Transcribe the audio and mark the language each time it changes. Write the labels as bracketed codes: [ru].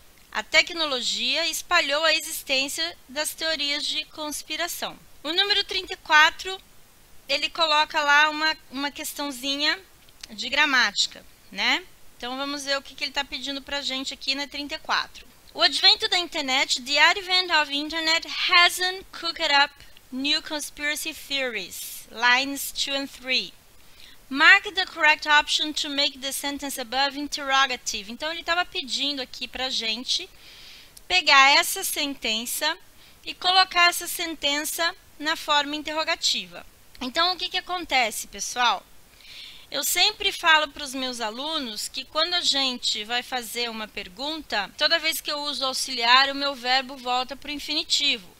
[pt] A tecnologia espalhou a existência das teorias de conspiração. O número 34, ele coloca lá uma questãozinha de gramática, né? Então vamos ver o que ele está pedindo para a gente aqui na 34. O advento da internet, [en] the advent of internet, hasn't cooked up new conspiracy theories, lines 2 and 3. Mark the correct option to make the sentence above interrogative. [pt] Então, ele estava pedindo aqui para a gente pegar essa sentença e colocar essa sentença na forma interrogativa. Então, o que que acontece, pessoal? Eu sempre falo para os meus alunos que quando a gente vai fazer uma pergunta, toda vez que eu uso auxiliar, o meu verbo volta para o infinitivo.